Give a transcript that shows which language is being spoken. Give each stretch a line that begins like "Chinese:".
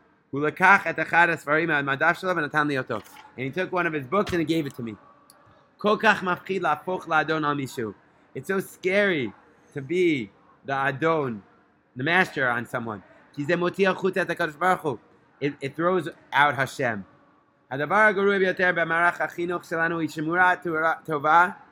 Hebrew: הוא לקח את אחד הספרים מהמדף שלו ונתן לי אותו.
English: And he took one of his books and he gave it to me.
Hebrew: כל כך מפחיד להפוך לאדון על מישהו.
English: It's so scary to be the Adon, the master on someone. Because it throws out Hashem.
Hebrew: הדבר הגרוע ביותר במערך החינוך שלנו היא שמורה טובה.